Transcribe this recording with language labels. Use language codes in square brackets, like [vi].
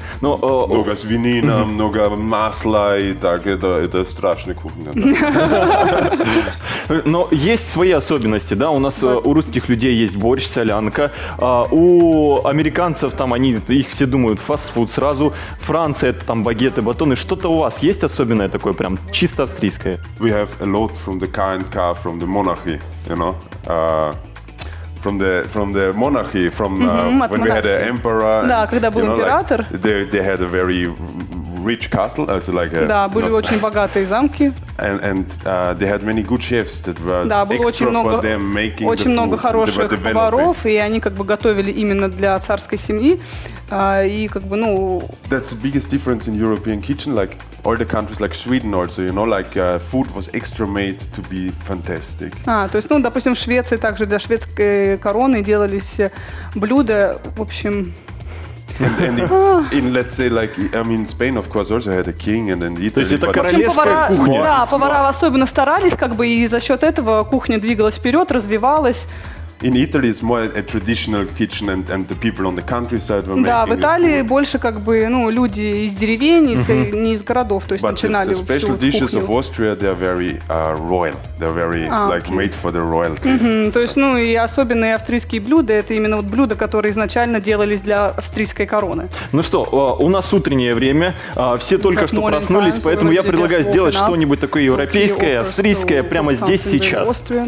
[ru] Но, много свинина, много масла и так, это страшная кухня. Но есть свои особенности, да, у нас у русских людей есть борщ, солянка, у американцев там они, их все думают, фастфуд сразу, Франция, это там багеты, батоны, что-то у вас есть особенное такое, прям чисто австрийское? [en] We have a lot from the kind car, from the monarchy, you know, from the monarchy, from when monarchy. We had an emperor. [ru] Да, когда был император. [en] Like, they had a very rich castle, also like a, [ru] да, были not, очень богатые замки. [en] And they had many good chefs that were [ru] да, было [en] extra [ru] много, [en] for them making the [ru] очень много хороших поваров, и они как бы готовили именно для царской семьи. И как бы, ну... [en] That's the biggest difference in European kitchen, like all the countries, like Sweden also, you know, like food was extra made to be fantastic. [ru] А, то есть, ну, допустим, в Швеции также для шведской короны делались блюда, в общем... [en] And in let's say like I mean Spain of course also had a king and then Italy. [ru] То есть это королевская кухня. Да, повара особенно старались, как бы, и за счет этого кухня двигалась вперед, развивалась. [en] In Italy it's more a traditional kitchen and the people on the countryside were making. [ru] Да, в Италии больше как бы, ну, люди из деревень, не из городов, то есть начинали всю кухню. [en] But the special dishes of Austria they are very royal. They're very like made for the royalty. [ru] То есть, ну, и особенные австрийские блюда, это именно вот блюда, которые изначально делались для австрийской короны. Ну что, у нас утреннее время, все только что проснулись, поэтому я предлагаю сделать что-нибудь такое европейское, австрийское, прямо здесь, сейчас.